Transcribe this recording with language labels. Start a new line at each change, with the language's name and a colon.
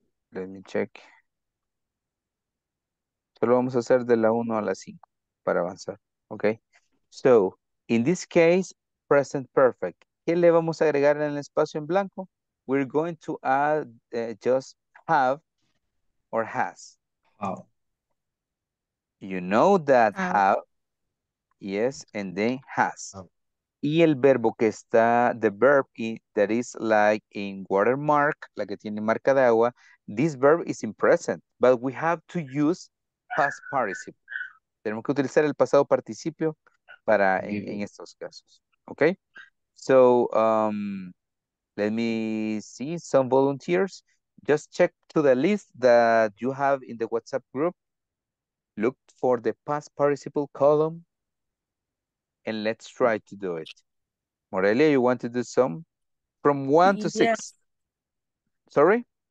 English: Let me check.
Spanish: Solo vamos a hacer de la 1 a la 5 para avanzar. Ok.
English: So, in this case, present perfect.
Spanish: ¿Qué le vamos a agregar en el espacio en blanco?
English: We're going to add just have or has. Wow. You know that have. Yes, and then has. Oh.
Spanish: Y el verbo que está,
English: the verb that is like in watermark,
Spanish: la que tiene marca de agua,
English: this verb is in present, but we have to use past participle.
Spanish: Tenemos que utilizar el pasado participio para en estos casos. Okay? So,
English: Let me see some volunteers. Just check to the list that you have in the WhatsApp group. Look for the past participle column and let's try to do it. Morelia, you want to do some? From one to six. Yeah. Sorry?